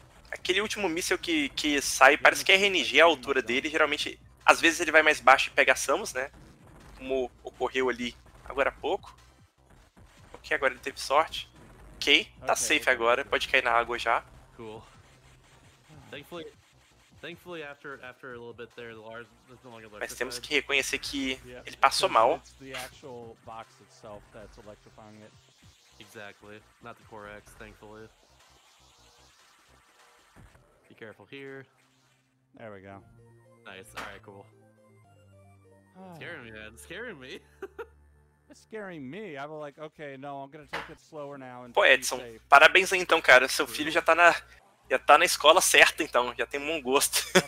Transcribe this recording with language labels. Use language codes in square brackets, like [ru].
[pt] Aquele último míssil que sai, parece que é RNG a altura dele, geralmente, às vezes ele vai mais baixo e pega Samus, né? Como ocorreu ali agora há pouco. Ok, agora ele teve sorte. Ok, tá safe agora, pode cair na água já. [en] Cool. Thankfully after a little bit there, Lars is no longer electrified. [pt] Mas temos que reconhecer que ele passou mal. [en] It's the actual box itself that's electrifying it. Exactly. Not the Core X, thankfully. Careful here. There we go. Nice. All right. Cool. Scaring me, man. Scaring me. It's scaring me. I was like, okay, no, I'm gonna take it slower now. And [pt] pô, Edson, parabéns aí, então, cara. Seu filho já tá na Já tá na escola certa, então. Já tem um bom gosto.